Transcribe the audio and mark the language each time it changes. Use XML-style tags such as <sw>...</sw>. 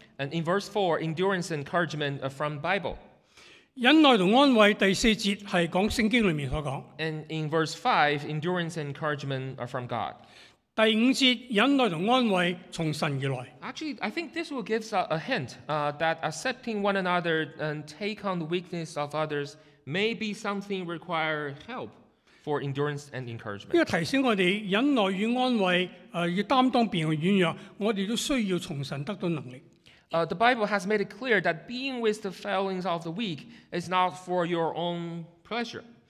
<en>And in verse 4, endurance and encouragement from the Bible.</en> <zh>忍耐和安慰第四节是讲圣经里面所讲。</zh> <en>And in verse 5, endurance and encouragement are from God.</en> <zh>第五节,忍耐和安慰从神而来。</zh> <en>Actually, I think this will give us a hint that accepting one another and take on the weakness of others may be something require help for endurance and encouragement.</en> <zh>这个提醒我们忍耐与安慰,要担当别人软弱,我们都需要从神得到能力。</zh> <en>The Bible has made it clear that being with the failings of the weak is not for your own pleasure.</en>